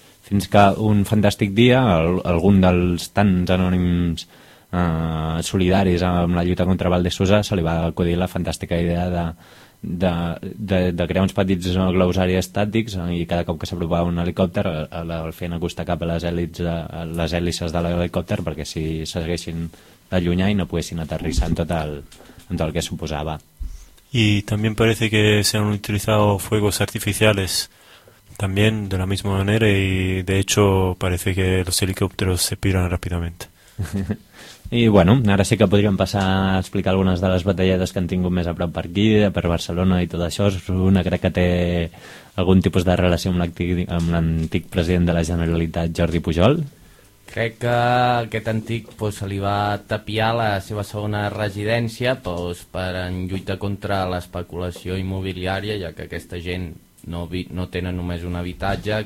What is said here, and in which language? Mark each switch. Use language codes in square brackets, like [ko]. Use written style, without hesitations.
[ca] Fins que un fantàstic dia, algun dels tants anònims solidaris amb la lluita contra Val de Susa, se li va acudir la fantàstica idea de crear uns petits globus aerostàtics i cada cop que s'apropava un helicòpter el feien acostar cap a les hèlices de l'helicòpter perquè si s'haguessin d'allunyar i no poguessin aterrissar en tot el que suposava. [es] Y también parece que se han utilizado fuegos artificiales también de la misma manera y de hecho parece que los helicópteros se piran rápidamente. [ca] I bueno, ara sí que podríem passar a explicar algunes de les batalletes que han tingut més a prop per aquí, per Barcelona i tot això. Una crec que té algun tipus de relació amb l'antic president de la Generalitat, Jordi Pujol. Crec que aquest antic se li va tapiar la seva segona residència en lluita contra l'especulació immobiliària, ja que aquesta gent no tenen només un habitatge.